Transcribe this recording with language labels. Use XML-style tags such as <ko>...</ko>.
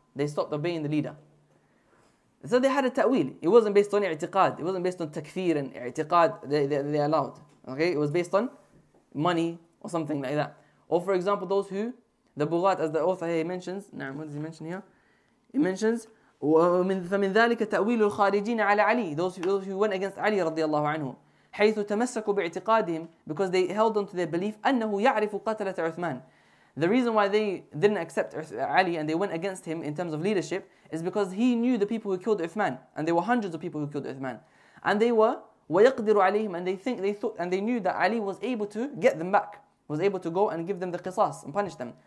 <en>They stopped obeying the leader. So they had a ta'wil. It wasn't based on i'tiqad. It wasn't based on takfir and i'tiqad they allowed. Okay? It was based on money or something like that. Or for example, those who the Bughat, as the author here mentions, نعم, what does he mention here? He mentions,</en> <ar>فَمِنْ ذَلِكَ تَأْوِيلُ الْخَارِجِينَ عَلَى عَلِيٍ.</ar> <en>Those who went against Ali</en> <ar>رضي الله عنه. حيث تمسكوا باعتقادهم,</ar> <en>because they held on to their belief,</en> <ar>أنه يعرف قتلة عثمان.</ar> <en>The reason why they didn't accept Ali and they went against him in terms of leadership is because he knew the people who killed Uthman, and there were hundreds of people who killed Uthman, and they were</en> <ar>وَيَقْدِرُ عَلَيْهِمْ,</ar> <en>and they thought and they knew that Ali was able to get them back, was able to go and give them the qisas and punish them.</en>